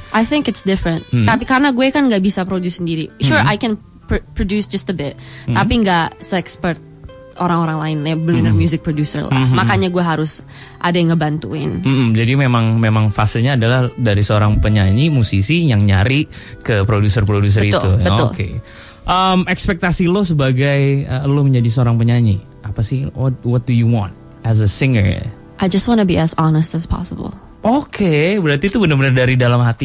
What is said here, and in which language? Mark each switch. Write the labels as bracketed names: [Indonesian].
[English] I think it's different. [Indonesian] Tapi karena gue kan nggak bisa produce sendiri. [English] Sure, I can produce just a bit, [Indonesian] tapi nggak se-expert orang-orang lain, benar-benar music producer lah. Makanya gue harus ada yang ngebantuin. Jadi memang fasenya adalah dari seorang penyanyi, musisi yang nyari ke produser-produser itu. Betul. Okay. Ekspektasi lo sebagai lo menjadi seorang penyanyi apa sih? [English] What do you want as a singer? I just wanna be as honest as possible. [Indonesian] Okay, berarti itu benar-benar dari dalam hati.